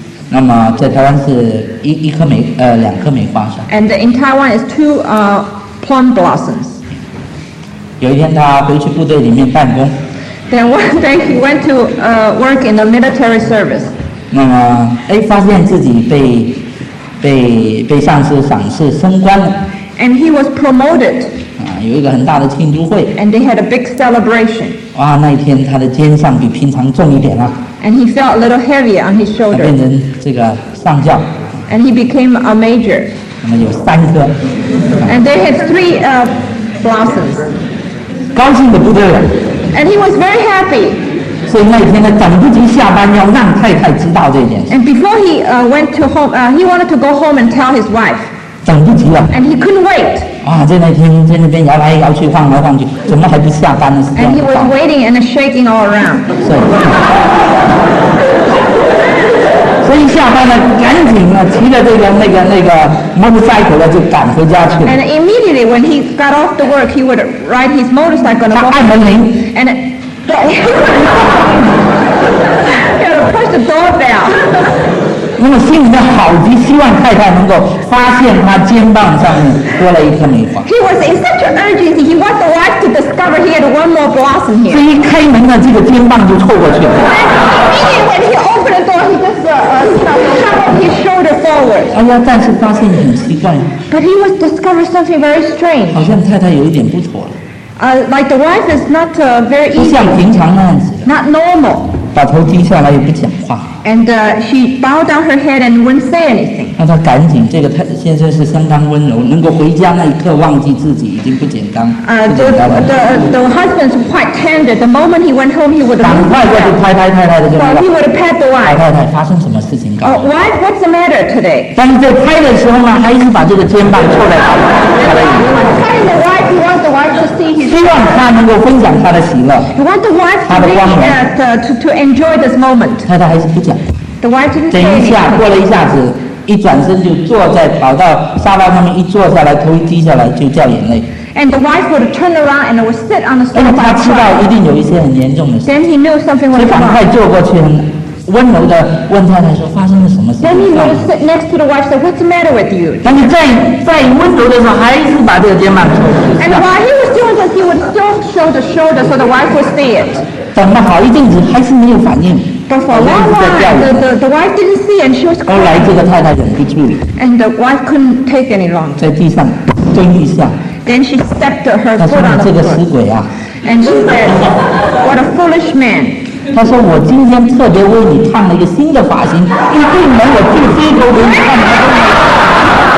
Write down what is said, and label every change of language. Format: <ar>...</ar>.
<zh>那么在台湾是一颗梅两颗梅花香。</zh> <en>And in Taiwan is two plum blossoms.</en> <zh>有一天他回去部队里面办公。</zh> <en>Then one day he went to work in the military service.</en> <zh>那么发现自己被上司赏识升官了。</zh> <en>And he was promoted.</en> <zh>有一个很大的庆祝会。</zh> <en>And they had a big celebration.</en> <zh>哇，那一天他的肩上比平常重一点了。</zh> <en>And he felt a little heavier on his shoulder.</en> <zh>他变成这个上将。</zh> <en>And he became a major.</en> <zh>那么有三颗。</zh> <en>And they had three blossoms.</en> <zh>高兴得不得了。</zh> <en>And he was very happy.</en> <zh>所以那一天他等不及下班要让太太知道这件事。</zh> <en>And before he went to home, he wanted to go home and tell his wife.</en> <zh>等不及了。</zh> <en>And he couldn't wait.</en> <zh>哇，在那天在那边摇来摇去，晃来晃去，怎么还不下班呢？是这</zh> <en>样。And he was waiting and shaking all around.</en> <zh>所以下班了，赶紧呢，骑着这个 motorcycle 了，就赶回家去了。</zh> <en>And immediately when he got off the work, he would ride his motorcycle.</en> <zh>他按门铃。</zh> <en>And he would press the doorbell.</en> <zh>那么心里面好极，希望太太能够发现他肩膀上面多了一颗梅花。</zh> <en>He was in such an urgency. He wants the wife to discover he had one more blossom here.</en> <zh>这一开门呢，这个肩膀就凑过去了。</zh> <en>And immediately when he opened the door, he just shoved his shoulder forward.</en> <zh>哎呀，但是发现很奇怪。</zh> <en>But he was discovered something very strange.</en> <zh>好像太太有一点不妥了。</zh> <en>Like the wife is not very easy.</en> <zh>不像平常那样子。</zh> <en>Not normal.</en> <zh>把头低下来也不讲话。</zh> <en>And she bowed down her head and wouldn't say anything.</en> <zh>那她赶紧，这个先生是相当温柔，能够回家那一刻忘记自己已经不简单。</zh> <en>The husband's quite tender. The moment he went home, he would.</en> <zh>赶快过去拍拍太太的肩膀。</zh> <en>He would pat the wife.</en> <zh>太太，发生什么事情？告诉我。</zh> <en>Wife, what's the matter today?</en> <zh>但是在拍的时候呢，还是把这个肩膀凑在他的。希望他能够分享他的喜乐。</zh> <en>You want the wife to really to enjoy this moment. 太太还是不讲。 The wife didn't</en> <zh>say. 等一下，过了一下子，一转身就坐在跑到沙发上面，一坐下来，头一低下来就掉眼泪。</zh> <en>And the wife would turn around and would sit on the sofa.</en> <zh>他知道一定有一些很严重的事。</zh> <en>Then he knew something was wrong.</en> <zh>所以赶快坐过去，很温柔的问太太说：“发生了什么事</zh> <en>？”Then he would sit next to the wife and say, "What's the matter with you?"</en> <zh>但是在温柔的时候，还是把这个肩膀抽出来。</zh> <en>And while he was doing this, he would still show the shoulder so the wife would see it.</en> <zh>等了好一阵子，还是没有反应。</zh> <en>But for a long while, the wife didn't see, and she was crying.</en> <zh>后来这个太太忍不住了。</zh> <en>And the wife couldn't take any longer.</en> <zh>在地上蹲一下。</zh> <en>Then she stepped her foot on the floor.</en> <zh>她说：“这个死鬼啊！”</zh> <en>And she said, "What a foolish man!"</en> <zh>她说：“我今天特别为你烫了一个新的发型，一进门我就低头给你看。”</zh>